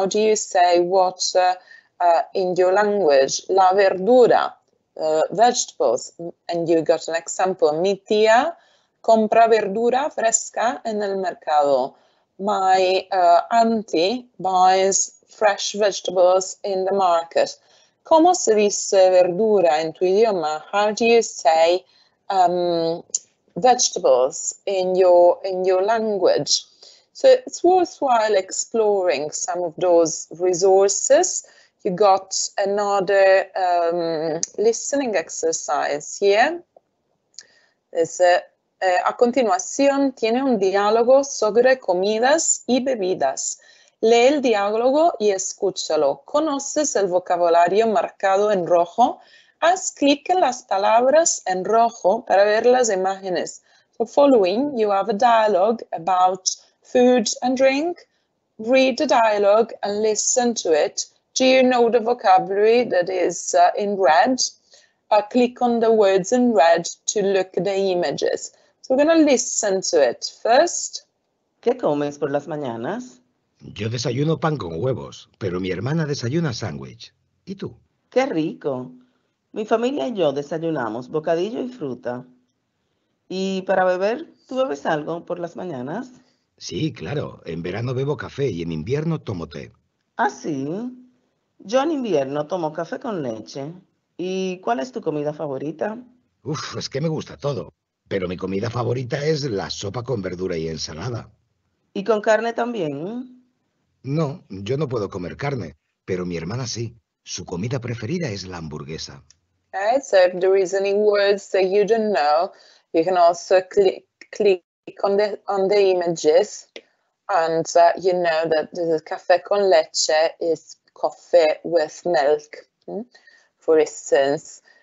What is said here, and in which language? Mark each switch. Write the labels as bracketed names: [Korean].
[English] How do you say water in your language? La verdura, vegetables. And you got an example. [Spanish] Mi tía compra verdura fresca en el mercado. [English] My auntie buys fresh vegetables in the market. [Spanish] ¿Cómo se dice verdura en tu idioma? [English] How do you say vegetables in your language? So it's worthwhile exploring some of those resources. You got another listening exercise here. [Spanish] It's a continuación tiene un diálogo sobre comidas y bebidas. Lee el diálogo y escúchalo. ¿Conoces el vocabulario marcado en rojo? Haz clic en las palabras en rojo para ver las imágenes. [English] So following, you have a dialogue about food and drink. Read the dialogue and listen to it. Do you know the vocabulary that is in red? Click on the words in red to look at the images. So we're going to listen to it first. [Spanish] ¿Qué comes por las mañanas? Yo desayuno pan con huevos, pero mi hermana desayuna sándwich. ¿Y tú? ¡Qué rico! Mi familia y yo desayunamos bocadillo y fruta. Y para beber, ¿tú bebes algo por las mañanas? Sí, claro. En verano bebo café y en invierno tomo té. Ah, sí. Yo en invierno tomo café con leche. ¿Y cuál es tu comida favorita? Uf, es que me gusta todo. Pero mi comida favorita es la sopa con verdura y ensalada. ¿Y con carne también? No, yo no puedo comer carne, pero mi hermana sí. Su comida preferida es la hamburguesa. [English] Okay, so if there is any words that you don't know, you can also click on the images, and you know that this is [Spanish] café con leche, [English] is coffee with milk, for instance.